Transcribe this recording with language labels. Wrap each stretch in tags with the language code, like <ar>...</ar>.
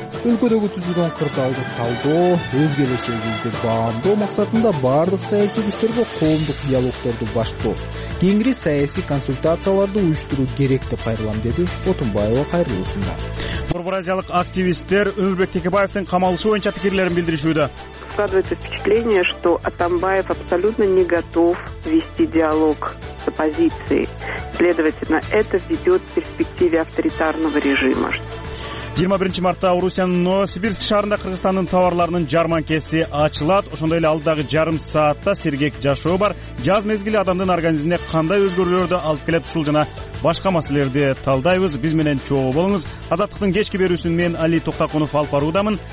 <ky>Өлкөдөгү түзүлгөн кырдаалдык талдоо, өзгөрүүчү жүздөрдү баамдоо максатында бардык саясий күчтөргө коомдук диалогторду баштоо, кеңири саясий консультацияларды уюштуруу керек деп кайрылам, деди Отунбаева кайрылуусунда. Бурбуразиялык активисттер Өмүрбек Текебаевдин камалышы боюнча пикирлерин билдиришүүдө.</ky> <ru>Складывается впечатление, что Атамбаев абсолютно не готов вести диалог с оппозицией. Следовательно, это ведет к перспективе авторитарного режима.</ru> <ky>21 мартта Орусиянын Новосибирск шаарында Кыргызстандын товарларынын жарманкеси ачылат. Ошондой эле алдыдагы жарым саатта сергек жашоо бар. Жаз мезгили адамдын организмине кандай өзгөрүүлөрдү алып келет ушул жана башка маселелерди талдайбыз. Биз менен чогуу болуңуз. Азаттыктын кечки берүүсүн мен Али Токтокунов алып баруудамын.</ky>